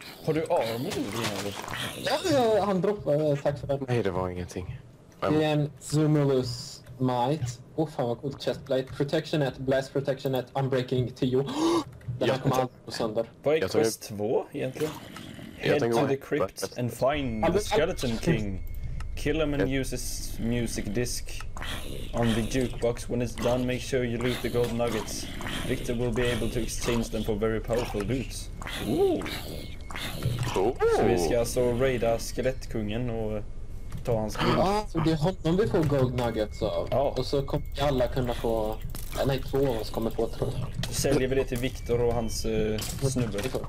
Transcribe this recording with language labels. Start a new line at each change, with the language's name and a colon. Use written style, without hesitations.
Swedish: Har du armor? Ja, han droppade. Tack för det. Nej, det var ingenting. Det är en Zumulus Might. Åh, oh, fan vad coolt. Chestplate, protection 1, blast protection 1, unbreaking 10. Den här kommer aldrig gå sönder. Vad är quest 2 egentligen?
English: Head to the crypt and find the skeleton king. Kill him and use his music disc on the jukebox. When it's done, make sure you loot the gold nuggets. Victor will be able to exchange them for very powerful boots. Ooh.
Swedish: Så vi ska alltså raida skelettkungen och ta hans guld. Ja, det är honom vi får gold nuggets av. Ja. Och så kommer alla kunna få... Nej, två av oss kommer få, tror jag. Då säljer vi det till Victor och hans snubbe.